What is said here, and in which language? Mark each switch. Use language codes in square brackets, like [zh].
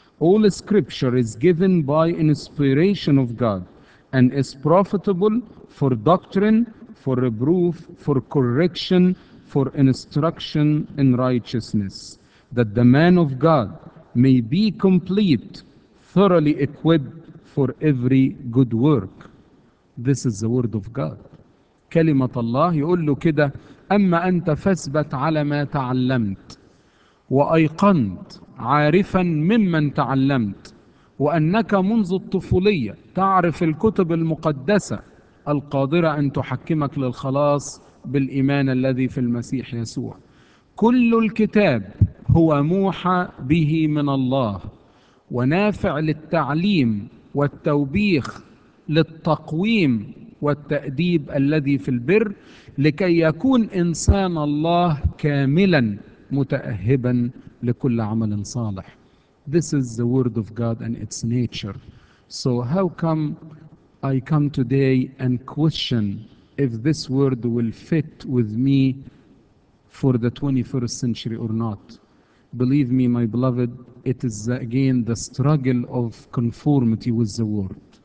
[en] All scripture is given by inspiration of God and is profitable for doctrine, for reproof, for correction, for instruction in righteousness, that the man of God may be complete, thoroughly equipped for every good work. This is the word of God. [ar] كلمة الله يقول له كده. أما أنت فاثبت على ما تعلمت وأيقنت عارفا ممن تعلمت وأنك منذ الطفولية تعرف الكتب المقدسة القادرة أن تحكمك للخلاص بالإيمان الذي في المسيح يسوع. كل الكتاب هو موحى به من الله ونافع للتعليم والتوبيخ للتقويم والتأديب الذي في البر لكي يكون إنسان الله كاملا متأهبا لكل عمل صالح. [en] This is the word of God and its nature. So how come I come today and question if this word will fit with me for the 21st century or not? Believe me, my beloved, it is again the struggle of conformity with the word.